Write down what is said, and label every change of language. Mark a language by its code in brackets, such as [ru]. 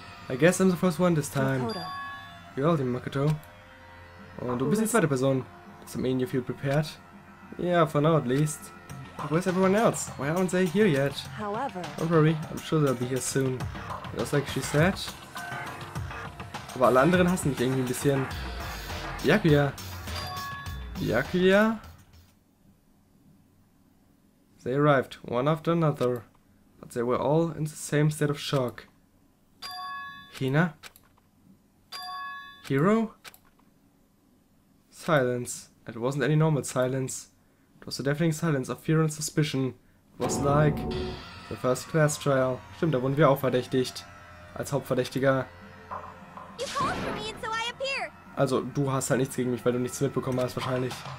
[en] I guess I'm the first one this time. You're all the Makoto. [de] Und du bist die zweite Person. [en] Does that mean you feel prepared? Yeah, for now at least. Where's everyone else? Why aren't they here yet? Don't worry, I'm sure they'll be here soon. Just like she said. [de] Aber alle anderen hassen mich irgendwie ein bisschen. [en] Byakuya. Byakuya? They arrived, one after another. But they were all in the same state of shock. Hina? Hiro? Silence. It wasn't any normal silence. It It was a deafening silence of fear and suspicion. It was like the first class trial. [de] Stimmt, da wurden wir auch verdächtigt. Als Hauptverdächtiger. [en] You called for me, and so I appear. [de] Also, du hast halt nichts gegen mich, weil du nichts mitbekommen hast, wahrscheinlich.